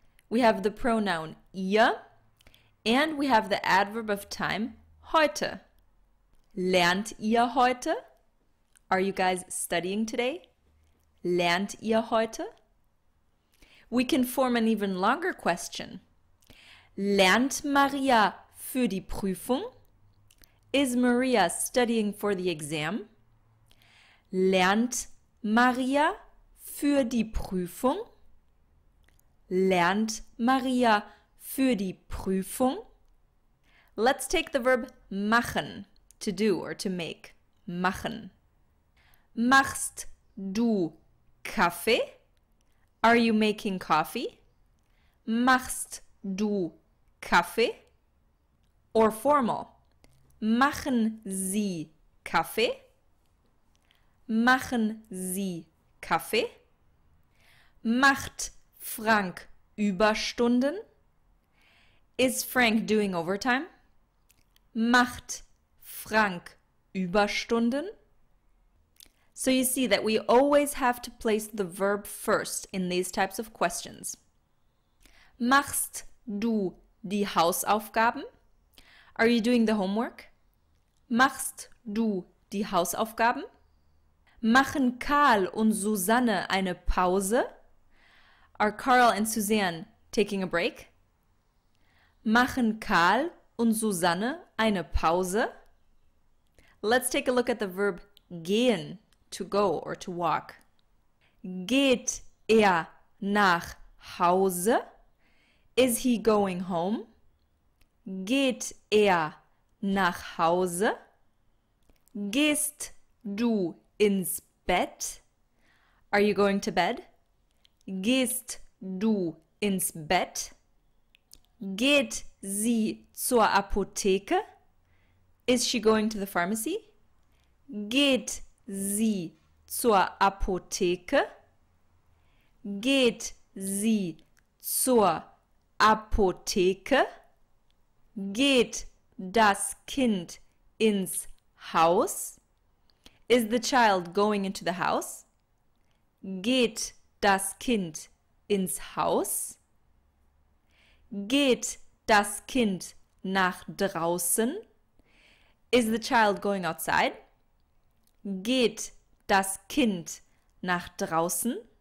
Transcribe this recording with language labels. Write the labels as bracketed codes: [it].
[en] We have the pronoun ihr. And we have the adverb of time heute. [de] Lernt ihr heute? [en] Are you guys studying today? [de] Lernt ihr heute? [en] We can form an even longer question. [de] Lernt Maria für die Prüfung? [en] Is Maria studying for the exam? [de] Lernt Maria für die Prüfung? Lernt Maria für die Prüfung? [en] Let's take the verb machen. To do or to make. Machen. [de] Machst du Kaffee? [en] Are you making coffee? [de] Machst du Kaffee? [en] Or formal. [de] Machen Sie Kaffee? Machen Sie Kaffee? Macht Frank Überstunden? [en] Is Frank doing overtime? [de] Macht Frank Überstunden? [en] So you see that we always have to place the verb first in these types of questions. [de] Machst du die Hausaufgaben? [en] Are you doing the homework? [de] Machst du die Hausaufgaben? Machen Karl und Susanne eine Pause? [en] Are Karl and Suzanne taking a break? [de] Machen Karl und Susanne eine Pause? [en] Let's take a look at the verb gehen, to go or to walk. [de] Geht er nach Hause? [en] Is he going home? [de] Geht er nach Hause? Gehst du ins Bett? [en] Are you going to bed? [de] Gehst du ins Bett? Geht sie zur Apotheke? [en] Is she going to the pharmacy? [de] Geht sie zur Apotheke? Geht sie zur Apotheke? Geht das Kind ins Haus? [en] Is the child going into the house? [de] Geht das Kind ins Haus? Geht das Kind nach draußen? [en] Is the child going outside? [de] Geht das Kind nach draußen?